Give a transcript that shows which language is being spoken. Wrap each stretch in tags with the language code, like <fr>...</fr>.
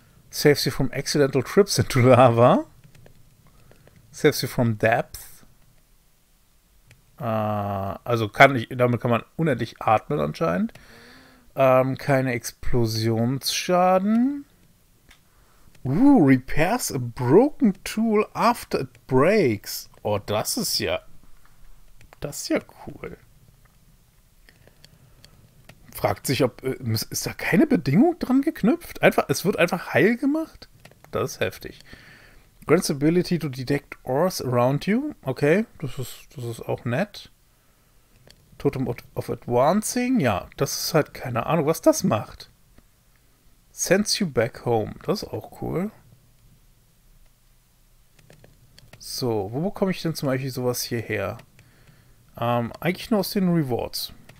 <en>Saves you from accidental trips into lava. Saves you from depth.</en> <de>Also kann ich, damit kann man unendlich atmen anscheinend. Keine Explosionsschaden.</de> <en>Repairs a broken tool after it breaks.</en> <de>Oh, das ist ja cool. Fragt sich, ob ist da keine Bedingung dran geknüpft? Einfach, es wird einfach heil gemacht? Das ist heftig.</de> <en>Grants ability to detect ores around you.</en> <de>Okay, das ist auch nett. Totem of Advancing. Ja, das ist halt keine Ahnung, was das macht.</de> <en>Sends you back home.</en> <de>Das ist auch cool. So, wo bekomme ich denn zum Beispiel sowas hierher? Eigentlich nur aus den Rewards.</de>